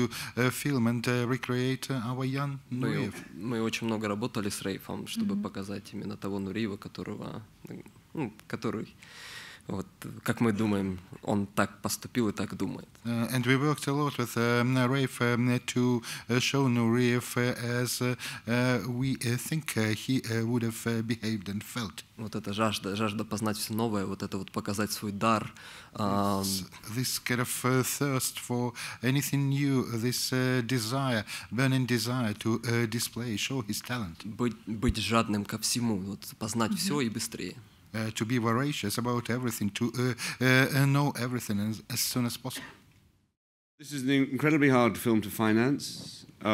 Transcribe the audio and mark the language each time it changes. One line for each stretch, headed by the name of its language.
English: How David Hare wrote him, how to translate it into a film and recreate our young Nureyev.
Russian: Мы очень много работали с Рейфом, чтобы показать именно того Нуриева, которого, ну, который... Вот, как мы думаем, он так поступил и так думает.
English: And we worked a lot with Rafe to show Nureyev as we think he would have behaved and felt.
Russian: Вот эта жажда познать все новое, вот это вот показать свой дар.
English: This kind of thirst for anything new, this desire, burning desire to display, show his talent.
Russian: Быть жадным ко всему, вот познать все и быстрее.
English: To be voracious about everything, to know everything as soon as possible. This is an incredibly hard film to finance.